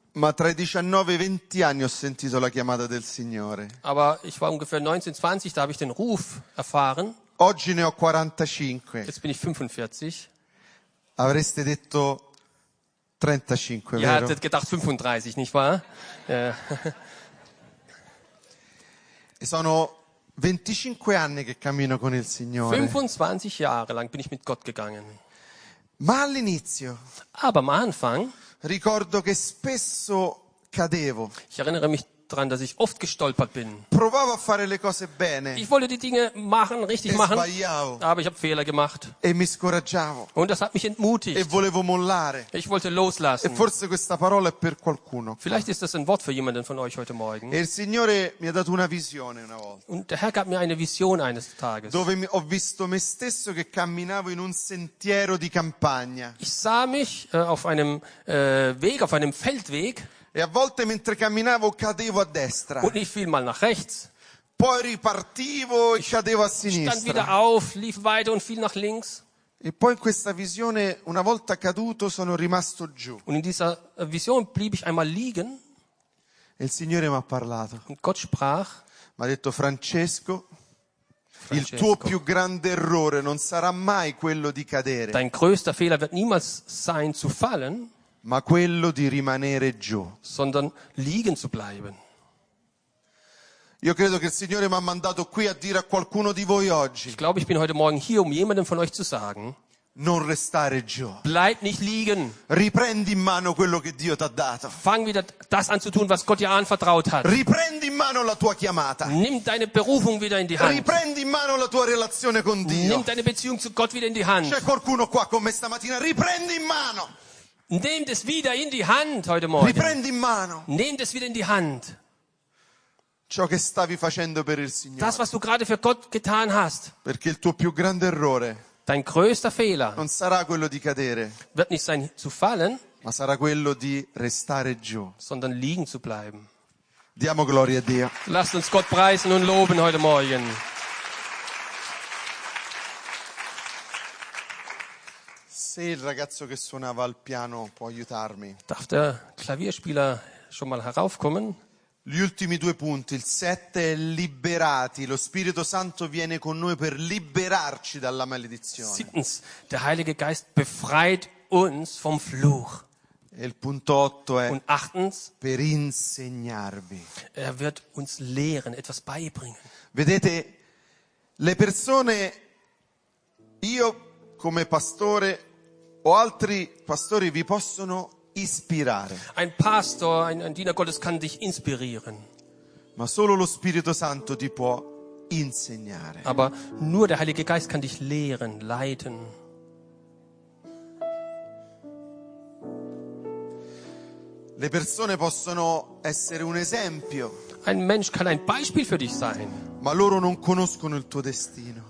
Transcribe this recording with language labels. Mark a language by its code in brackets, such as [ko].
[it] Ma tra i 19 e 20 anni ho sentito la chiamata del Signore. [de] Aber ich war ungefähr 19, 20, da habe ich den Ruf erfahren. [it] Oggi ne ho 45. [de] Jetzt bin ich 45. [it] Avreste detto 35, [de] ihr hattet gedacht 35, nicht wahr? Ja. [it] Sono 25 anni che cammino con il Signore. [de] 25 Jahre lang bin ich mit Gott gegangen. [it] Ma all'inizio. [de] Aber am Anfang. [it] Ricordo che spesso cadevo. [de] Ich erinnere mich daran, dass ich oft gestolpert bin. [it] Provavo a fare le cose bene. [de] Ich wollte die Dinge machen, richtig machen. [it] Sbagliavo. [de] Aber ich habe Fehler gemacht. [it] E mi scoraggiavo. [de] Und das hat mich entmutigt. [it] E volevo mollare. [de] Ich wollte loslassen. [it] E forse questa parola è per qualcuno. [de] Vielleicht ist das ein Wort für jemanden von euch heute Morgen. [it] E il Signore mi ha dato una visione una volta. [de] Und der Herr gab mir eine Vision eines Tages. [it] Dove ho visto me stesso che camminavo in un sentiero di campagna. [de] Ich sah mich auf einem Weg, auf einem Feldweg. [it] E a volte mentre camminavo cadevo a destra. [de] Und ich fiel mal nach rechts. [it] Poi ripartivo e cadevo a sinistra. [de] Stand wieder auf, lief weiter und fiel nach links. [it] E poi in questa visione, una volta caduto, sono rimasto giù. [de] Und in dieser Vision blieb ich einmal liegen. [it] E il Signore mi ha parlato. [de] Und Gott sprach. [it] Mi ha detto, Francesco. [de] Francesco. [it] Il tuo più grande errore non sarà mai quello di cadere. [de] Dein größter Fehler wird niemals sein zu fallen, [it] ma quello di rimanere giù, [de] sondern liegen zu bleiben. [it] Io credo che il Signore mi ha mandato qui a dire a qualcuno di voi oggi. [de] Ich glaube, ich bin heute morgen hier, um jemandem von euch zu sagen. [it] Non restare giù. [de] Bleib nicht liegen. [it] Riprendi in mano quello che Dio t'ha dato. [de] Fang wieder das an zu tun, was Gott dir anvertraut hat. [it] Riprendi in mano la tua chiamata. [de] Nimm deine Berufung wieder in die Hand. [it] Riprendi in mano la tua relazione con Dio. [de] Nimm deine Beziehung zu Gott wieder in die Hand. [it] C'è qualcuno qua con me stamattina? Riprendi in mano. [de] Nimm das wieder in die Hand heute morgen. [it] Riprendi in mano. [de] Nimm das wieder in die Hand. [it] Ciò che stavi facendo per il Signore. [de] Das was du gerade für Gott getan hast. [it] Perché il tuo più grande errore. [de] Dein größter Fehler. [it] Non sarà quello di cadere. [de] Wird nicht sein zu fallen. [it] Ma sarà quello di restare giù. [de] Sondern liegen zu bleiben. [it] Diamo gloria a Dio. [de] Lasst uns Gott preisen und loben heute morgen. [it] Se il ragazzo che suonava al piano può aiutarmi. [de] Darf der Klavierspieler schon mal heraufkommen? [it] Gli ultimi due punti, il 7 è liberati, lo Spirito Santo viene con noi per liberarci dalla maledizione. [de] Siebtens, der Heilige Geist befreit uns vom Fluch. [it] E il punto 8 è [de] und achtens, [it] per insegnarvi. [de] Er wird uns lehren, etwas beibringen. [it] Vedete, le persone, io come pastore o altri pastori vi possono ispirare. [de] Ein Pastor, ein Diener Gottes kann dich inspirieren. [it] Ma solo lo Spirito Santo ti può insegnare. [de] Aber nur der Heilige Geist kann dich lehren, leiten. [it] Le persone possono essere un esempio. [de] Ein Mensch kann ein Beispiel für dich sein. [it] Ma loro non conoscono il tuo destino.